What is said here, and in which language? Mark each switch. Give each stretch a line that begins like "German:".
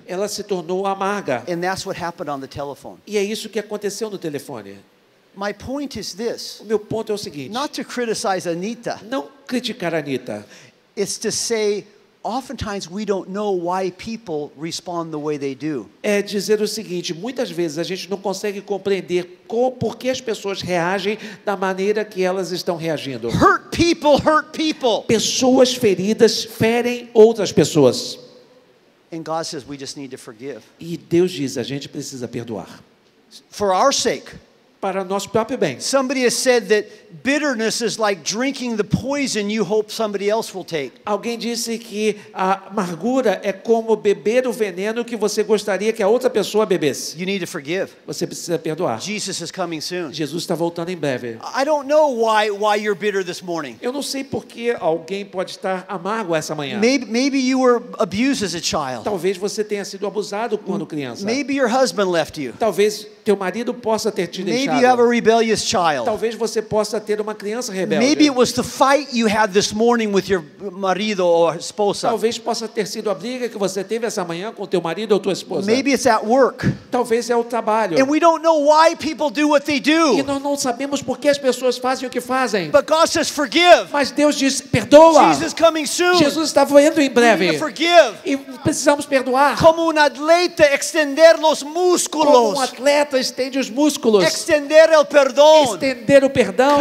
Portuguese: Ela se tornou amarga.
English: And that's what happened on the telephone.
Portuguese: E é isso que aconteceu no telefone.
English: My point is this.
Portuguese: O meu ponto é o seguinte.
English: Not to criticize Anita.
Portuguese: Não criticar a Anita.
English: It's to say, oftentimes we don't know why people respond the way they do.
Portuguese: É dizer o seguinte, muitas vezes a gente não consegue compreender por que as pessoas reagem da maneira que elas estão reagindo.
English: Hurt people hurt people.
Portuguese: Pessoas feridas ferem outras pessoas.
English: And God says we just need to forgive.
Portuguese: E Deus diz, a gente precisa perdoar.
English: For our sake.
Portuguese: Para nosso próprio bem.
English: Somebody has said that bitterness is like drinking the poison you hope somebody else will take.
Portuguese: Alguém disse que a amargura é como beber o veneno que você gostaria que a outra pessoa bebesse.
English: You need to forgive.
Portuguese: Você precisa perdoar.
English: Jesus is coming soon.
Portuguese: Jesus está voltando em breve.
English: I don't know why you're bitter this morning.
Portuguese: Eu não sei por que alguém pode estar amargo essa manhã.
English: Maybe you were abused as a child.
Portuguese: Talvez você tenha sido abusado quando criança.
English: Maybe your husband left you.
Portuguese: Talvez teu marido possa ter te deixado.
English: Maybe you have a rebellious child.
Portuguese: Talvez você possa ter uma criança rebelde.
English: Maybe it was the fight you had this morning with your marido or esposa.
Portuguese: Talvez possa ter sido a briga que você teve essa manhã com teu marido ou tua esposa.
English: Maybe it's at work.
Portuguese: Talvez é o trabalho.
English: And we don't know why people do what they do.
Portuguese: E nós não sabemos por que as pessoas fazem o que fazem.
English: But God says forgive.
Portuguese: Mas Deus diz perdoa.
English: Jesus coming soon.
Portuguese: Jesus está vindo em breve.
English: We need to forgive.
Portuguese: E precisamos perdoar. Como um atleta estender os músculos. Como um atleta estende os músculos. Estender o perdão.